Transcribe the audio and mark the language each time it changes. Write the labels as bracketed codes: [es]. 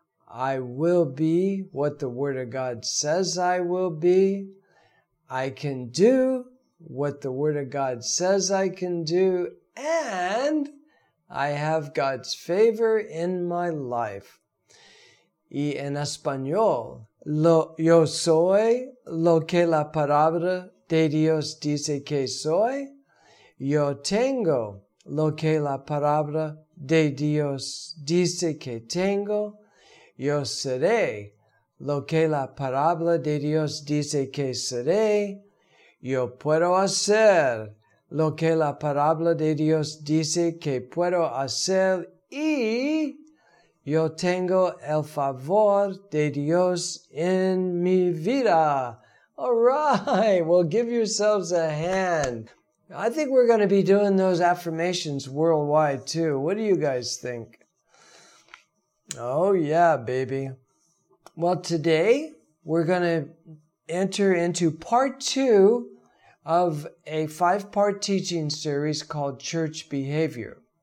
[en] I will be what the Word of God says I will be. I can do what the Word of God says I can do. And I have God's favor in my life. [es] Y en español, yo soy lo que la palabra de Dios dice que soy. Yo tengo lo que la palabra de Dios dice que tengo. Yo seré lo que la palabra de Dios dice que seré. Yo puedo hacer lo que la palabra de Dios dice que puedo hacer. Y yo tengo el favor de Dios en mi vida. [en] All right. Well, give yourselves a hand. I think we're going to be doing those affirmations worldwide, too. What do you guys think? Oh, yeah, baby. Well, today we're going to enter into part two of a five-part teaching series called Church Behavior.